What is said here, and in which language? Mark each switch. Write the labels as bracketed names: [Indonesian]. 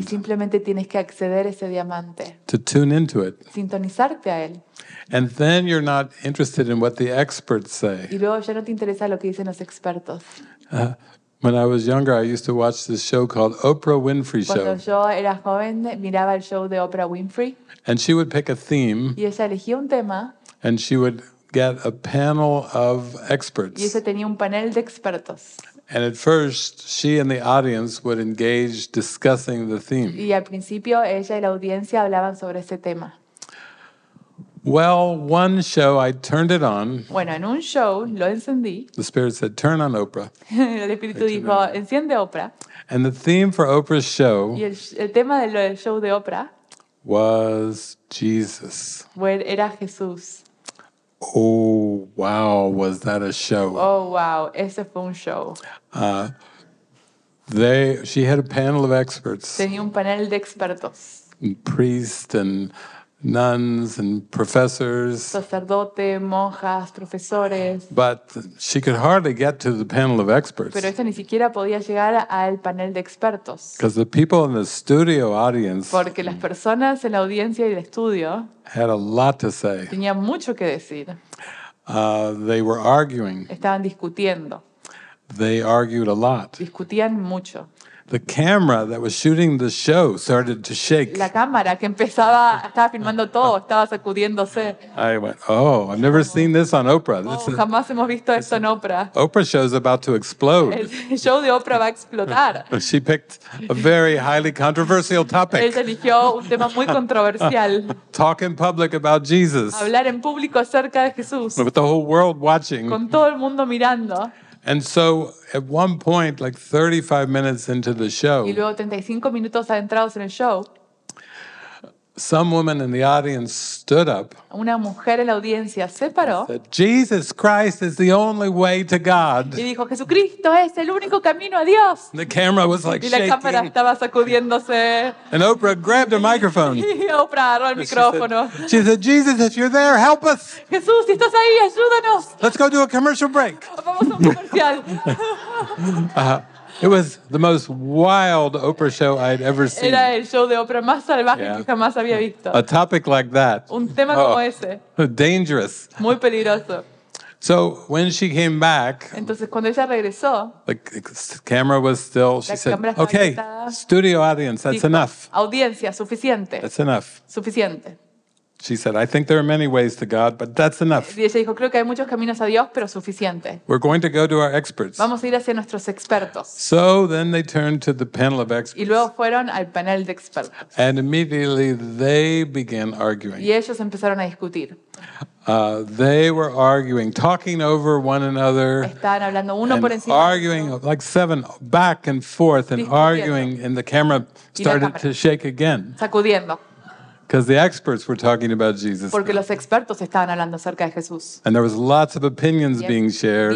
[Spanish] Y simplemente tienes que acceder a ese diamante. [English] To tune into it. [Spanish] Sintonizarte a él. [English] And then you're not interested in what the experts say. [Spanish] Y luego ya no te interesa lo que dicen los expertos. [English] When I was younger, I used to watch this show called Oprah Winfrey Show. [Spanish] Cuando yo era joven, miraba el show de Oprah Winfrey. [English] And she would pick a theme. [Spanish] Y ella elegía un tema. [English] And she would get a panel of experts. [Spanish] Y ella tenía un panel de expertos. [English] And at first, she and the audience would engage discussing the theme. [Spanish] Y al principio, ella y la audiencia hablaban sobre ese tema. [English] Well, one show I turned it on. [Spanish] Bueno, en un show lo encendí. [English] The spirit said, "Turn on Oprah." [Spanish] El espíritu dijo, "Enciende Oprah." [English] And the theme for Oprah's show. [Spanish] Y el tema del show de Oprah. [English] Was Jesus. [Spanish] Era Jesús. [English] Oh wow, was that a show? [Spanish] Oh wow, ese fue un show. [English] She had a panel of experts. [Spanish] Tenía un panel de expertos. [English] Priests and nuns and professors. [Spanish] Sacerdote, monjas, profesores. [English] But she could hardly get to the panel of experts. [Spanish] Pero esta ni siquiera podía llegar al panel de expertos. [English] Because the people in the studio audience. [Spanish] Porque las personas en la audiencia y el estudio. [English] Had a lot to say. [Spanish] Tenía mucho que decir. [English] They were arguing. [Spanish] Estaban discutiendo. [English] They argued a lot. [Spanish] Discutían mucho. [English] The camera that was shooting the show started to shake. [Spanish] La cámara que empezaba estaba filmando todo, estaba sacudiéndose. [English] I went, "Oh, I've never seen this on Oprah." This [Spanish] is, jamás hemos visto esto en Oprah. [English] Oprah's show is about to explode. [Spanish] El show de Oprah va a explotar. [English] She picked a very highly controversial topic. [Spanish] Ella eligió un tema muy controversial. [English] Talk in public about Jesus. [Spanish] Hablar en público acerca de Jesús. [English] With the whole world watching. [Spanish] Con todo el mundo mirando. [English] And so, at one point, like 35 minutes into the show, [Spanish] y luego 35 minutos adentrados en el show, [English] some woman in the audience stood up. [Spanish] Una mujer en la audiencia se paró. [English] Said, "Jesus Christ is the only way to God." [Spanish] Y dijo, "Jesucristo es el único camino a Dios." [English] The camera was like shaking. [Spanish] Y la cámara estaba sacudiéndose. [English] And Oprah grabbed a microphone. [Spanish] Y Oprah agarró el micrófono. [English] She said, "Jesus, if you're there, help us." [Spanish] Jesús, si estás ahí, ayúdanos. [English] Let's go do a commercial break. [Spanish] Vamos a un comercial. [English] It was the most wild Oprah show I'd ever seen. [Spanish] Era el show de Oprah más salvaje yeah. que jamás había visto. [English] A topic like that. [Spanish] Un tema oh. como ese. [English] Dangerous. [Spanish] Muy peligroso. [English] So when she came back, [Spanish] entonces cuando ella regresó, [English] the camera was still. She said, "Okay, studio audience, that's [Spanish] dijo, [English] enough." [Spanish] Audiencia suficiente. [English] That's enough. [Spanish] Suficiente. [English] She said, "I think there are many ways to God, but that's enough." [Spanish] Y ella dijo, creo que hay muchos caminos a Dios, pero suficiente. [English] We're going to go to our experts. [Spanish] Vamos a ir hacia nuestros expertos. [English] So then they turned to the panel of experts. [Spanish] Y luego fueron al panel de expertos. [English] And immediately they began arguing. [Spanish] Y ellos empezaron a discutir. [English] They were arguing, talking over one another, [Spanish] estaban hablando uno [English] and [Spanish] por encima [English] arguing [Spanish] otro. [English] Like seven, back and forth, and arguing, and the camera started to shake again. [Spanish] Sacudiendo. [English] Because the experts were talking about Jesus. [Spanish] Porque los expertos estaban hablando acerca de Jesús. [English] And there was lots of opinions being shared.